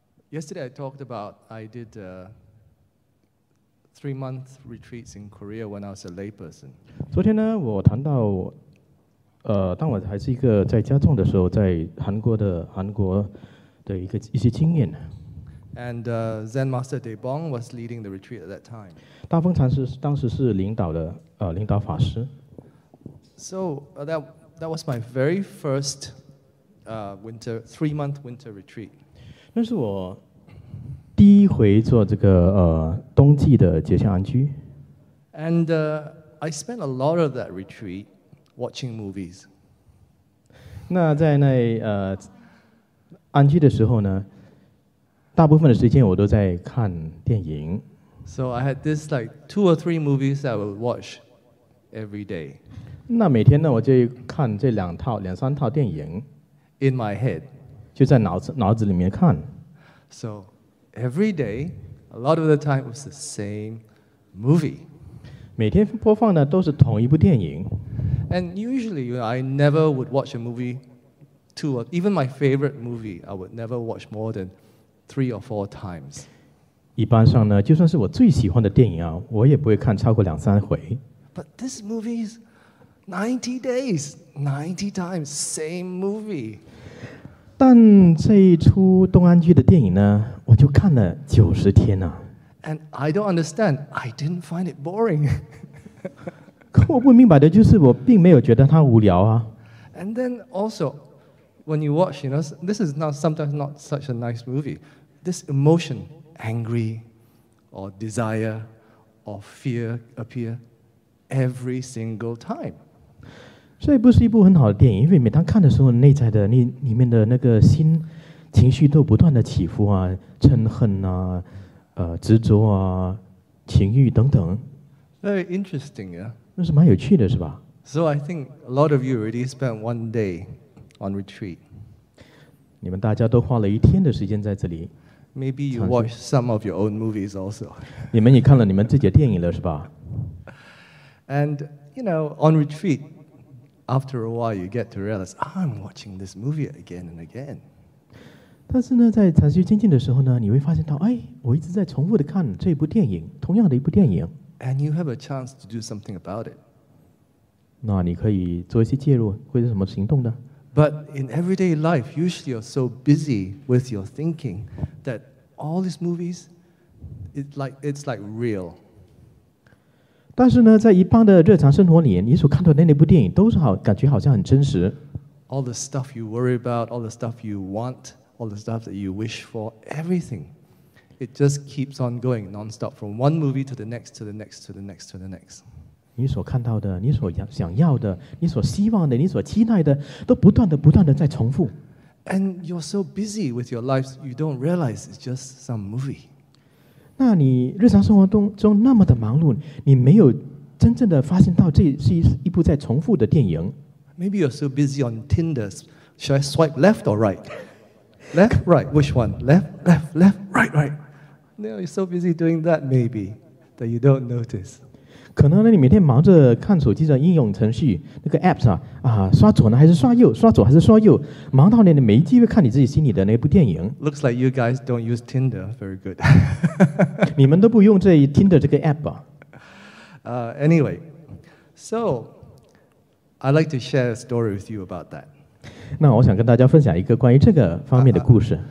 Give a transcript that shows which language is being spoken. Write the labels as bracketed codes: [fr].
[en] Yesterday I talked about I did three-month retreats in Korea when I was a layperson. [zh] 昨天呢，我谈到，当我还是一个在家中的时候，在韩国的一些经验。 [en] And Zen Master De Bong was leading the retreat at that time. [zh] 大峰禅师当时是领导的，领导法师。 [en] So that was my very first three-month winter retreat. [zh] 那是我第一回做这个冬季的节前安居。 [en] And I spent a lot of that retreat watching movies. [zh] 那在那安居的时候呢，大部分的时间我都在看电影。 [en] So I had this like two or three movies that I would watch every day. [zh] 那每天呢，我就看这两三套电影 [en] ，in my head， [zh] 就在脑子里面看。 [en] So every day, a lot of the time was the same movie. [zh] 每天播放的都是同一部电影。 [en] And usually, you know, I never would watch a movie two or even my favorite movie, I would never watch more than three or four times. [zh] 一般上呢，就算是我最喜欢的电影啊，我也不会看超过两三回。 [en] But this movie is 90 days, 90 times, same movie. [zh] 但这一出东安居的电影呢，我就看了九十天呐。 [en] And I don't understand. I didn't find it boring. [zh] 可我不明白的就是，我并没有觉得它无聊啊。 [en] And then also, when you watch, you know, this is not sometimes not such a nice movie. This emotion, angry, or desire, or fear appear. Every single time. [zh] 所以不是一部很好的电影，因为每当看的时候，内在的里面的那个心情绪都不断的起伏啊，嗔恨啊，执着啊，情欲等等。 [en] Very interesting, yeah. [zh] 那是蛮有趣的，是吧 [en] ？So I think a lot of you already spent one day on retreat. [zh] 你们大家都花了一天的时间在这里。 [en] Maybe you watch some of your own movies also. [zh] 你们也看了你们自己的电影了，是吧？ [en] And, you know, on retreat, after a while, you get to realize, I'm watching this movie again and again. [zh] 但是呢，在禅修精进的时候呢，你会发现到，哎，我一直在重复的看这部电影，同样的一部电影。 [en] And you have a chance to do something about it. [zh] 那你可以做一些介入，或者什么行动呢？ [en] But in everyday life, usually you're so busy with your thinking that all these movies, it's like real. [zh] 但是呢，在一般的日常生活里，你所看到的那部电影都是好，感觉好像很真实。 [en] All the stuff you worry about, all the stuff you want, all the stuff that you wish for, everything, it just keeps on going nonstop from one movie to the next, to the next, to the next, to the next. [zh] 你所看到的，你所想要的，你所希望的，你所期待的，都不断的、不断的在重复。 [en] And you're so busy with your lives, you don't realize it's just some movie. [zh] 那你日常生活中那么的忙碌，你没有真正的发现到这是一部在重复的电影。 [en] Maybe you're so busy on Tinder. Should I swipe left or right? Left, right. Which one? Left, left, left, right, right. No, you're so busy doing that maybe that you don't notice. [zh] 可能你每天忙着看手机的应用程序那个 apps 啊，刷左呢还是刷右？刷左还是刷右？忙到你没机会看你自己心里的那部电影。 [en] Looks like you guys don't use Tinder. Very good. [zh] 你们都不用这 Tinder 这个 app 吧？ [en] Anyway, so I'd like to share a story with you about that. [zh] 那我想跟大家分享一个关于这个方面的故事。